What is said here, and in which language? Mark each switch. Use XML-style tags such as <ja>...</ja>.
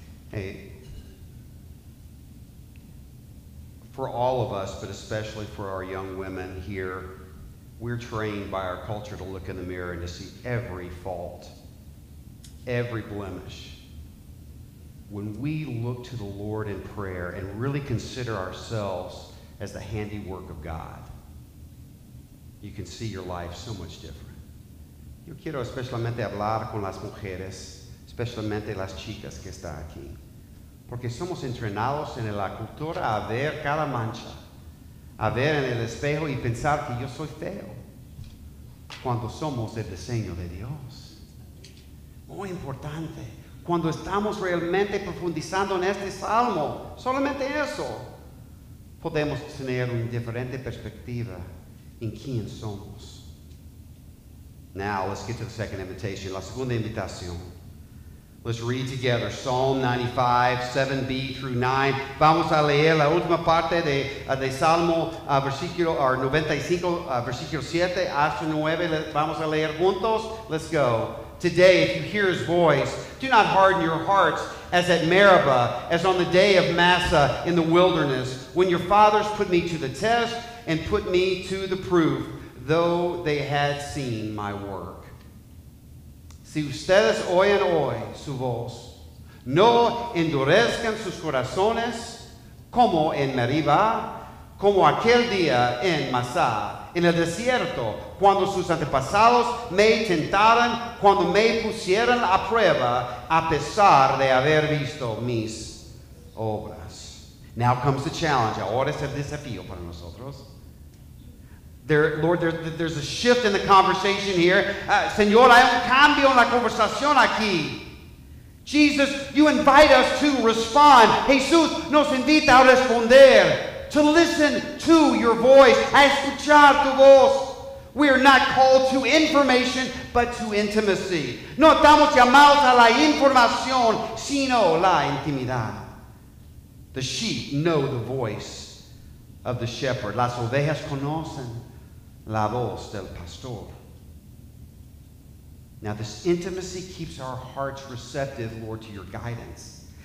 <en>Hey, for all of us, but especially for our young women here, we're trained by our culture to look in the mirror and to see every fault, every blemish. When we look to the Lord in prayer and really consider ourselves as the handiwork of God, you can see your life so much different.</en> <es>Yo quiero especialmente hablar con las mujeres, especialmente las chicas que están aquí. Porque somos entrenados en la cultura a ver cada mancha, a ver en el espejo y pensar que yo soy feo, cuando somos el diseño de Dios. Muy importante, cuando estamos realmente profundizando en este salmo, solamente eso, podemos tener una diferente perspectiva en quién somos.</es> <en>Now, let's get to the second invitation,</en> <es>la segunda invitación.</es> <en>Let's read together Psalm 95, 7b through 9.</en> <es>Vamos a leer la última parte de Salmo, versículo, or 95, versículo 7 hasta 9. Vamos a leer juntos.</es> <en>Let's go. Today, if you hear his voice, do not harden your hearts as at Meribah, as on the day of Massa in the wilderness, when your fathers put me to the test and put me to the proof. Though they had seen my work.</en> <es>Si ustedes oyen hoy su voz, no endurezcan sus corazones como en Meribah, como aquel día en Masá, en el desierto, cuando sus antepasados me tentaron, cuando me pusieron a prueba, a pesar de haber visto mis obras.</es> <en>Now comes the challenge.</en> <es>Ahora es el desafío para nosotros.</es> <en>Lord, there's a shift in the conversation here.</en> <es>Señor, hay un cambio en la conversación aquí.</es> <en>Jesus, you invite us to respond.</en> <es>Jesús nos invita a responder,</es> <en>to listen to your voice,</en> <es>a escuchar tu voz.</es> <en>We are not called to information, but to intimacy.</en> <es>No estamos llamados a la información, sino la intimidad.</es> <en>The sheep know the voice of the shepherd.</en> <es>Las ovejas conocen la voz del pastor.</es> <en>Now this intimacy keeps our hearts receptive, Lord, to your guidance.</en>